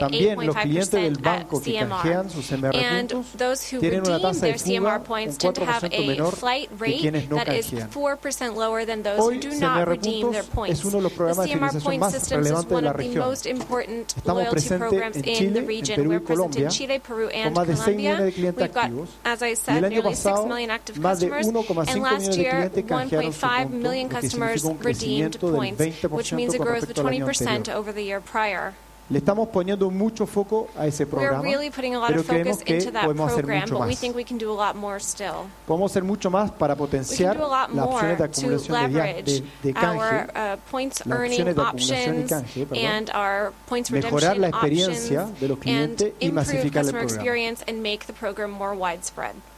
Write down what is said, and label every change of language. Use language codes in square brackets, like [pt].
[es] También los clientes del banco que canjean sus CMR puntos tienen una tasa de fuga un 4% menor que quienes no canjean. Hoy CMR puntos es uno de los programas de fidelización más relevantes de la región. Estamos presentes en Chile, en Perú y Colombia con más de 6 millones de clientes activos, y el año pasado más de 1,5 [en] last year, 1.5 million customers redeemed points, which means a growth of 20% over the year prior. [es] Le estamos poniendo mucho foco a ese programa, [en] really a lot [es] pero creemos que podemos hacer mucho más. Podemos hacer mucho más para potenciar las opciones de acumulación de canje, mejorar la experiencia de los clientes y masificar el programa.